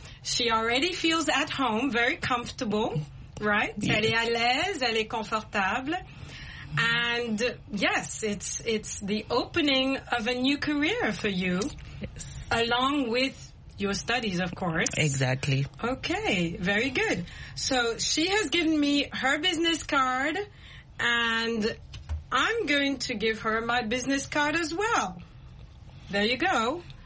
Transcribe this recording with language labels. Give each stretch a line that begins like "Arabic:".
English: She already feels at home, very comfortable, right? Yes.
French: Elle est à l'aise, elle est confortable.
English: And yes, it's the opening of a new career for you, yes, along with your studies, of course. Exactly. Okay, very good. So she has given me her business card, and I'm going to give her my business card as well. There you go.